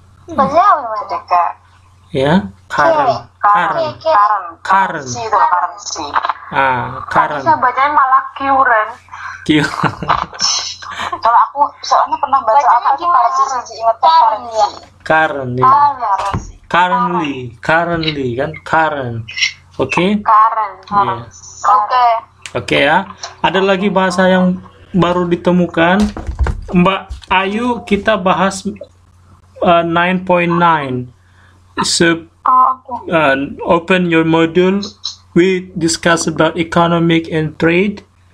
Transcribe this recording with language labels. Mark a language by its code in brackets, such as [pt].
[id] Bacanya apa ya, Kak? Ya, Karen. Karen. Karen. Karen. Ah, Karen. Bisa bacanya malah Kyuren. Kyuren. Kalau aku soalnya pernah baca apa sih? Karen sih ingat Karen ya. Karen ya. [en] Currently, currently kan, current, oke? Current, [id] oke. Oke ya, ada lagi bahasa yang baru ditemukan. Mbak Ayu, kita bahas 9.9. [en] So, open your module, we discuss about economic and trade.